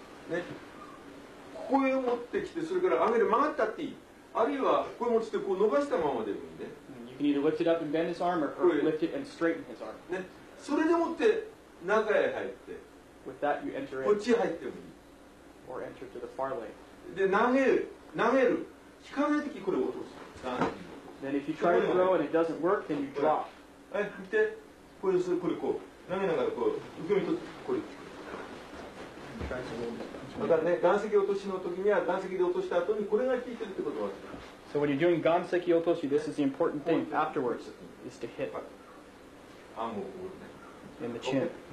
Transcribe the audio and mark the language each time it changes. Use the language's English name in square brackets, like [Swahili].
[Japanese] ね、ここへ持ってきて、それから上げて曲がったっていい。あるいはここへ持ってこう伸ばしたままでもいいね。 [English] You can either lift it up and bend his arm, or lift it and straighten his arm. [Japanese] ね、それでもって中へ入って、 [English] with that you enter in, [Japanese] こっち入ってもいい。 [English] Or enter to the far leg. [Japanese] で投げる、投げる。引かないときこれ落とす。投げる。 [English] Then if you try to throw and it doesn't work, then you drop. So when you're doing Ganseki Otoshi, this is the important thing afterwards, is to hit in the chin.